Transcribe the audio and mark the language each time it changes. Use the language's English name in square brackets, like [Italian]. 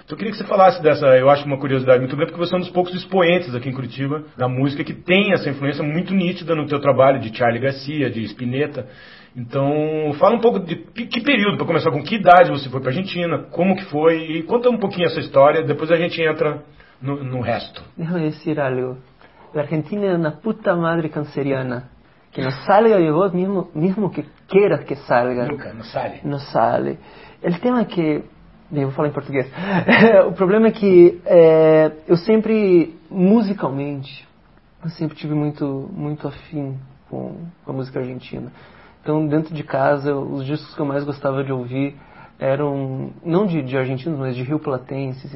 [Portuguese] Então eu queria que você falasse dessa, eu acho uma curiosidade muito grande, porque você é um dos poucos expoentes aqui em Curitiba da música que tem essa influência muito nítida no teu trabalho, de Charly Garcia, de Spinetta. Então, fala um pouco de que período, para começar, com que idade você foi para a Argentina, como que foi, e conta um pouquinho essa história, depois a gente entra no resto. [Spanish] Déjame decir algo. La Argentina es una puta madre canceriana. Que no salga de vos, mismo que quieras que salga, Nunca, não sale. no sale. El tema es que. [Portuguese] Bien, vou falar em português. O problema é que eu sempre, musicalmente, eu sempre tive muito afim com a música argentina. Então, dentro de casa, os discos que eu mais gostava de ouvir eram, não de argentinos, mas de rio-platenses.